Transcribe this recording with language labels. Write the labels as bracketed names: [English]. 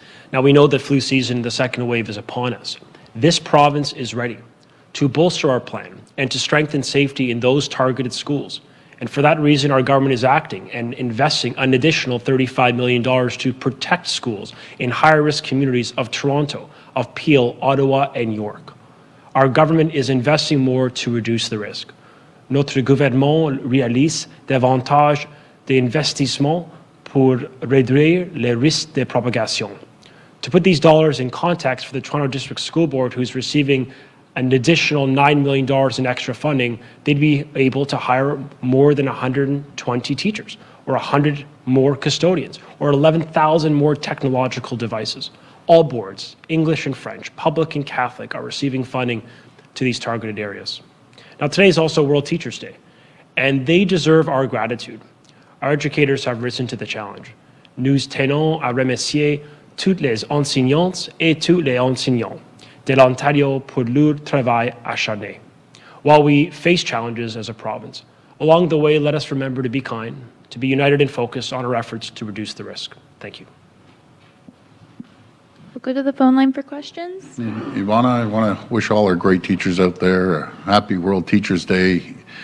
[English] Now, we know that flu season, the second wave, is upon us. This province is ready to bolster our plan and to strengthen safety in those targeted schools. And for that reason, our government is acting and investing an additional $35 million to protect schools in high-risk communities of Toronto, of Peel, Ottawa, and York. Our government is investing more to reduce the risk. [French] Notre gouvernement réalise davantage d'investissements pour réduire les risques de propagation. [English] To put these dollars in context for the Toronto District School Board, who is receiving an additional $9 million in extra funding, they'd be able to hire more than 120 teachers, or 100 more custodians, or 11,000 more technological devices. All boards, English and French, public and Catholic, are receiving funding to these targeted areas. Now, today is also World Teachers Day, and they deserve our gratitude. Our educators have risen to the challenge. [French] Nous tenons à remercier toutes les enseignantes et tous les enseignants de l'Ontario pour leur travail acharné. [English] While we face challenges as a province, along the way, let us remember to be kind, to be united and focused on our efforts to reduce the risk. Thank you. We'll go to the phone line for questions. Ivana, I want to wish all our great teachers out there a happy World Teachers Day.